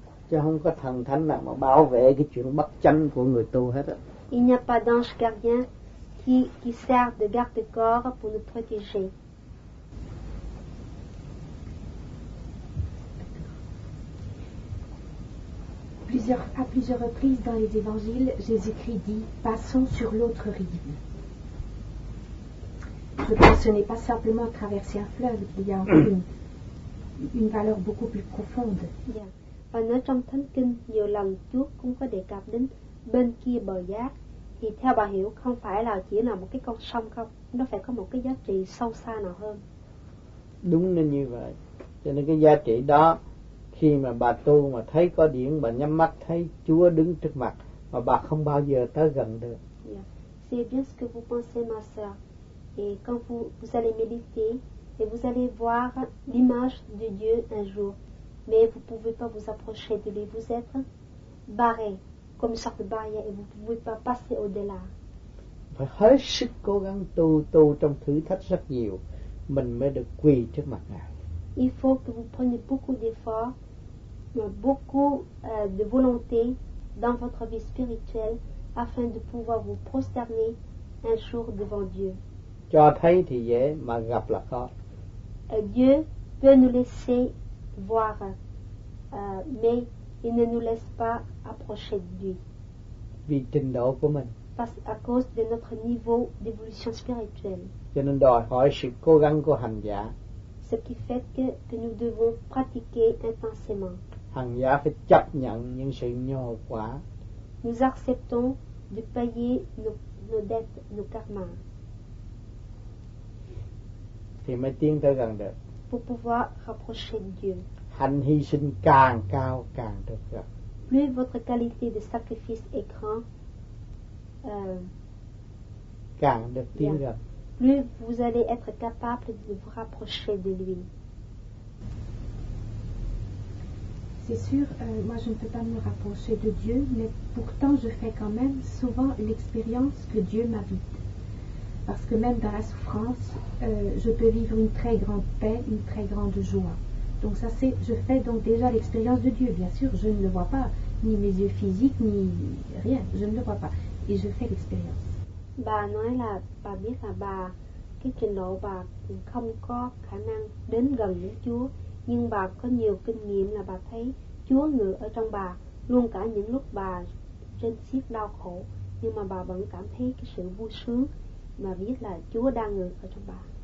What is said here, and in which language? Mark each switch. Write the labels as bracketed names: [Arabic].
[Vietnamese] Chứ không có thần thánh nào mà bảo vệ cái chuyện bất chánh của người tu hết á. [French] Il n'y a pas d'ange gardien qui sert de garde-corps pour nous protéger. À plusieurs reprises dans les évangiles, Jésus-Christ dit « Passons sur l'autre rive ». Je pense que ce n'est pas simplement traverser un fleuve, il y a une valeur beaucoup plus profonde. Yeah. [Vietnamese] Và nói trong thánh kinh, nhiều lần Chúa cũng có đề cập đến bên kia bờ giác. Thì theo bà hiểu, không phải là chỉ là một cái con sông không, nó phải có một cái giá trị sâu xa nào hơn. Đúng nên như vậy. Cho nên cái giá trị đó, khi mà bà tu mà thấy có điển, bà nhắm mắt thấy Chúa đứng trước mặt, mà bà không bao giờ tới gần được. Yeah. [French] C'est bien ce que vous pensez, ma sœur. Et quand vous allez méditer, et vous allez voir l'image de Dieu un jour, mais vous ne pouvez pas vous approcher de lui, vous êtes barré comme une sorte de barrière et vous ne pouvez pas passer au-delà. [Vietnamese] Phải hết sức cố gắng tu trong thử thách rất nhiều, mình mới được quỳ trước mặt Ngài. [French] Il faut que vous preniez beaucoup d'efforts, beaucoup de volonté dans votre vie spirituelle afin de pouvoir vous prosterner un jour devant Dieu. [Vietnamese] Cho thấy thì dễ, mà gặp là khó. [French] Dieu peut nous laisser voir, mais il ne nous laisse pas approcher de lui. [Vietnamese] Vì trình độ của mình. [French] Parce à cause de notre niveau d'évolution spirituelle. [Vietnamese] Cho nên đòi hỏi sự cố gắng của hành giả. [French] Ce qui fait que nous devons pratiquer intensément. [Vietnamese] Hành giả phải chấp nhận những sự nhồ quá. [French] Nous acceptons de payer nos dettes, nos karmas. [Vietnamese] Thì mới tiến tới gần được. [French] Pour pouvoir rapprocher Dieu. [Vietnamese] Hành hy sinh càng cao càng được gặp. [French] Plus votre qualité de sacrifice est grand, [Vietnamese] càng được tiến gần. [French] Plus vous allez être capable de vous rapprocher de lui. C'est sûr, moi je ne peux pas me rapprocher de Dieu, mais pourtant je fais quand même souvent l'expérience que Dieu m'habite. Parce que même dans la souffrance, je peux vivre une très grande paix, une très grande joie. Donc ça c'est, je fais donc déjà l'expérience de Dieu. Bien sûr, je ne le vois pas, ni mes yeux physiques, ni rien, je ne le vois pas. Et je fais l'expérience. [Vietnamese] Bà nói là, bà biết là bà, cái trình độ bà không có khả năng đến gần với Chúa. Nhưng bà có nhiều kinh nghiệm là bà thấy Chúa ngự ở trong bà, luôn cả những lúc bà trên chiếc đau khổ. Nhưng mà bà vẫn cảm thấy cái sự vui sướng. Mà biết là Chúa đang ngự ở trong bà.